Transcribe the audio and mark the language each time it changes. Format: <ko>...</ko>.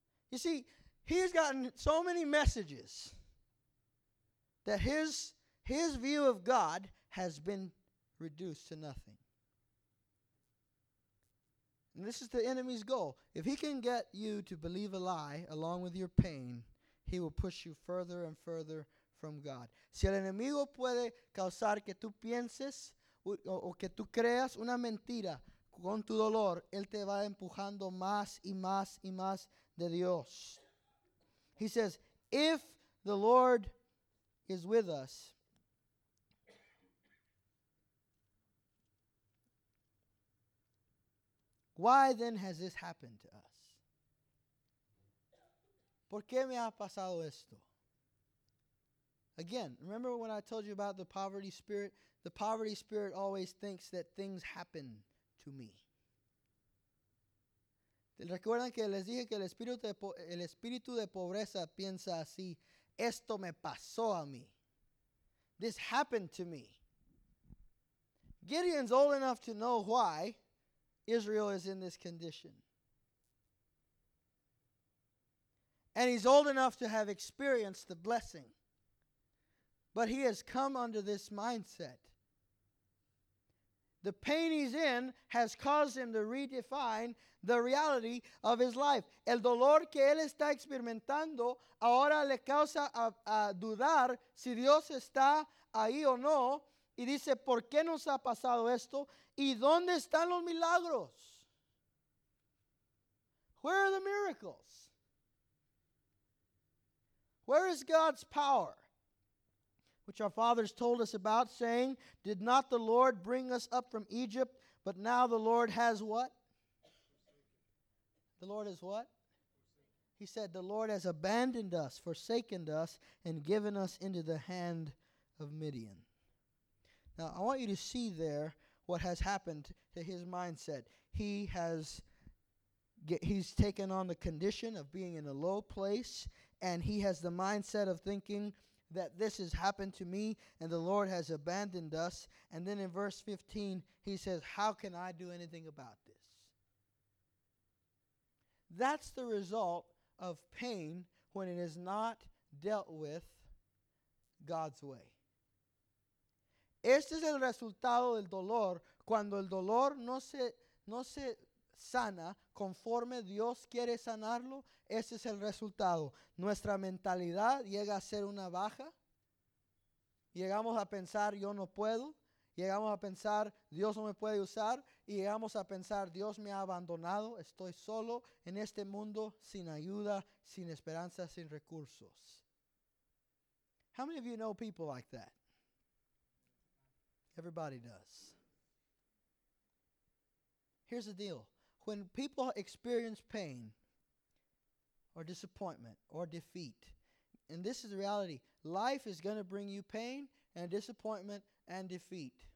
<en>You see, he's gotten so many messages that his view of God has been reduced to nothing. And this is the enemy's goal. If he can get you to believe a lie along with your pain, he will push you further and further from God.</en> <es>Si el enemigo puede causar que tú pienses o que tú creas una mentira con tu dolor, él te va empujando más y más y más de Dios.</es> <en>He says, "If the Lord is with us, why then has this happened to us?"</en> <es>¿Por qué me ha pasado esto?</es> <en>Again, remember when I told you about the poverty spirit? The poverty spirit always thinks that things happen to me.</en> <es>¿Recuerdan que les dije que el espíritu de pobreza piensa así? Esto me pasó a mí.</es> <en>This happened to me. Gideon's old enough to know why Israel is in this condition. And he's old enough to have experienced the blessing. But he has come under this mindset. The pain he's in has caused him to redefine the reality of his life.</en> <es>El dolor que él está experimentando ahora le causa a dudar si Dios está ahí o no. Y dice, ¿por qué nos ha pasado esto? ¿Y dónde están los milagros?</es> <en>Where are the miracles? Where is God's power? which our fathers told us about, saying, did not the Lord bring us up from Egypt? But now the Lord has what? The Lord has what? He said, the Lord has abandoned us, forsaken us, and given us into the hand of Midian. Now, I want you to see there what has happened to his mindset. He's taken on the condition of being in a low place, and he has the mindset of thinking that this has happened to me, and the Lord has abandoned us. And then in verse 15, he says, how can I do anything about this? That's the result of pain when it is not dealt with God's way.</en> <es>Este es el resultado del dolor cuando el dolor no se sana conforme Dios quiere sanarlo. Ese es el resultado. Nuestra mentalidad llega a ser una baja. Llegamos a pensar, yo no puedo. Llegamos a pensar, Dios no me puede usar. Y llegamos a pensar, Dios me ha abandonado. Estoy solo en este mundo, sin ayuda, sin esperanza, sin recursos.</es> <en>How many of you know people like that? Everybody does. Here's the deal. When people experience pain or disappointment or defeat, and this is the reality, life is going to bring you pain and disappointment and defeat.</en>